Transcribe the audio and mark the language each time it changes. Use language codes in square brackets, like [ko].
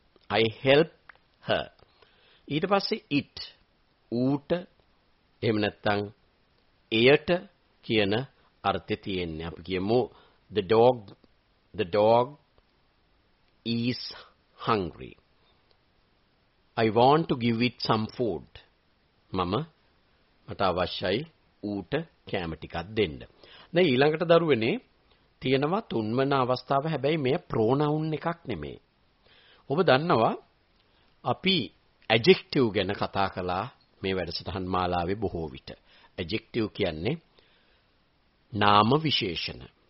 [en] I helped her. [si] ඊට පස්සේ it, ඌට, එහෙම නැත්නම් එයට කියන අර්ථය තියෙන්නේ. අපි කියමු [en] the dog is hungry. I want to give it some food. [si] මම මට අවශ්‍යයි ඌට කෑම ටිකක් දෙන්න. දැන් ඊළඟට දරුවනේ තියෙනවා තුන්වන අවස්ථාව. හැබැයි මේ ප්‍රොනවුන් එකක් නෙමෙයි. ඔබ දන්නවා අපි ඇජෙක්ටිව් ගැන කතා කළා මේ වැඩසටහන් මාලාවේ බොහෝ විට. ඇජෙක්ටිව් කියන්නේ නාම විශේෂණ.